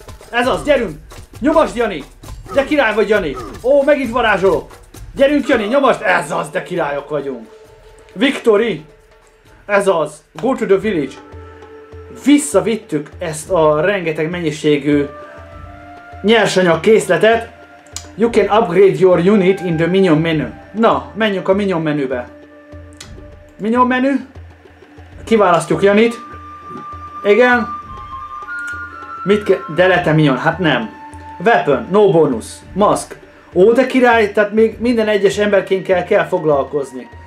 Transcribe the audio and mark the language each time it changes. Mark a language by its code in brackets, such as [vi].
[hu] Ez az, gyerünk, nyomast, Jani. De király vagy, Jani. Ó, megint varázsolok. Gyerünk, Jani, nyomast. Ez az, de királyok vagyunk. Victory! Ez az! [en] Go to the village! [hu] Visszavittük ezt a rengeteg mennyiségű nyersanyag készletet. [en] You can upgrade your unit in the minion menu. [hu] Na, menjünk a minion menübe. Minion menü. Kiválasztjuk Janit. Igen. Mit kell... [en] Delete minion? [hu] Hát nem. Weapon. No bonus. Mask. Ó, de király, tehát még minden egyes emberkénkkel kell foglalkozni.